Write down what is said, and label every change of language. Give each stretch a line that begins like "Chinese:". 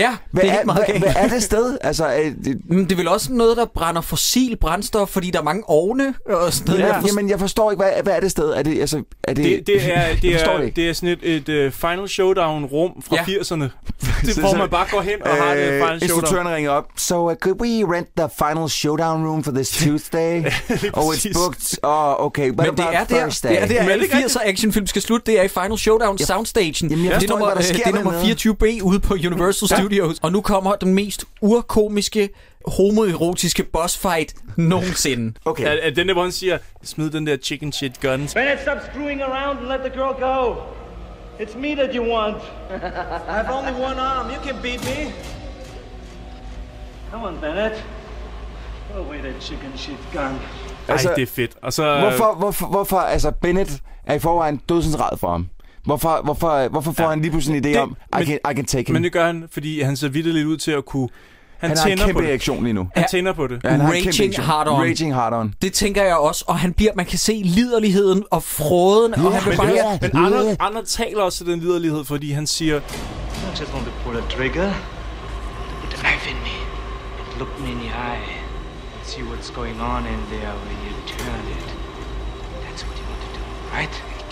Danish: Hvad er det sted? Altså, det er vel også noget, der brænder fossil brændstof, fordi der er mange ovne og sådan noget. Jeg forstår ikke, hvad er det sted? Det er sådan et Final Showdown-rum fra 80'erne. Det får man bare går hen og har det Final Showdown. Instruktøren ringer op.
English: So, could we rent the Final Showdown-room for this Tuesday? Oh, it's booked. Oh, okay.
Danish: Men det er der. Det er der, alle 80'er actionfilm skal slutte. Det er i Final Showdown Soundstation. Det er nummer 24B ude på Universal Studios. Og nu kommer den mest urkomiske, homoerotiske bossfight nogensinde. Okay. Er den der, hvor han siger, smid den der
English: chicken shit gun. Bennett, stop screwing around and let the girl go. It's me that you want. I have only one arm. You can beat me. Come on, Bennett. Throw away that chicken shit gun.
Danish: Altså, ej, det er fedt. Og så, hvorfor, altså Bennett er i forvejen dødsensret for ham. Hvorfor får han lige pludselig en idé om,
English: I can take him?
Danish: Men det gør han, fordi han ser vitterligt ud til at kunne... Han har en kæmpe reaktion lige nu. Han tænder på det.
English: Ja, Raging hard on.
Danish: Det tænker jeg også, og man kan se liderligheden og froden. Yeah, og han men bare, det, men andre taler også til den liderlighed, fordi han siger...
English: I just want to pull a trigger, put a knife in me, and look me in the eye, and see what's going on in there when you turn it. That's what you want to do, right?